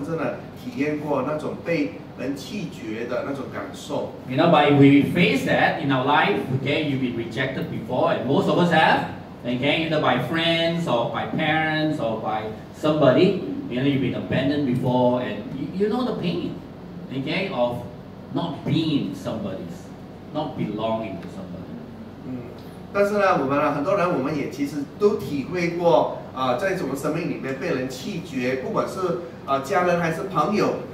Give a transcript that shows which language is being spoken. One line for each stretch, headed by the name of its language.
Chinese: 那么这孩子呢，他们呢都是面带笑容，然后充满喜乐的。为什么呢？是因为他们从来没有体验过那种被
English: You know, but if we face that in our life, okay, you've been rejected before, and most of us have, okay, either by friends or by parents or by somebody, you know, you've been abandoned before, and you know the pain, okay, of not being somebody's, not belonging to somebody.
Chinese: 但是呢，我们很多人也其实都体会过，在我们生命里面被人弃绝，不管是家人还是朋友。